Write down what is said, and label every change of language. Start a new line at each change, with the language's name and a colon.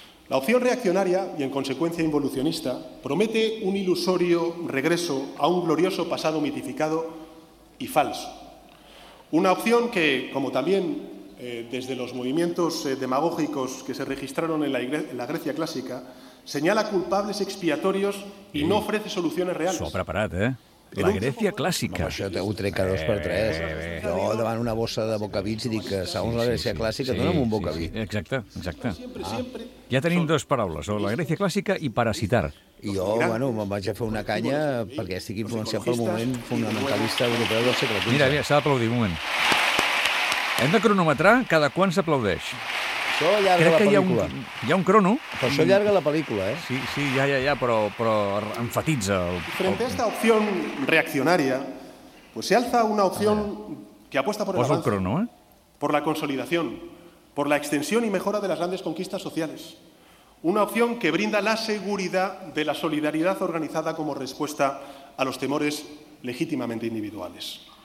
Spanish: La opción reaccionaria y, en consecuencia, involucionista promete un ilusorio regreso a un glorioso pasado mitificado y falso. Una opción que, como también desde los movimientos demagógicos que se registraron en la Grecia clásica, señala culpables expiatorios y no ofrece soluciones reales.
Catalan: S'ho ha preparat, eh? La Grècia clàssica. No, això ho trec a dos per tres. Jo davant una bossa de bocavits i dic que segons la Grècia clàssica dóna'm un bocavit. Sí, exacte, exacte. Ah. Ja tenim dues paraules, o la Grècia clàssica i parasitar. I jo, bueno, me'n vaig a fer una canya perquè estic influenciat pel moment fundamentalista europeu del segle XX. Mira, mira, s'ha d'aplaudir un moment. Hem de cronometrar cada quan s'aplaudeix. Això allarga la pel·lícula. Crec que hi ha un crono. Però això allarga la pel·lícula, eh? Sí, sí, ja, però enfatitza el...
Spanish: Frente a esta opción reaccionaria, pues se alza una opción que apuesta por el avance.
Catalan: Posa el crono, eh?
Spanish: Por la consolidación, por la extensión y mejora de las grandes conquistas sociales. Una opción que brinda la seguridad de la solidaridad organizada como respuesta a los temores legítimamente individuales.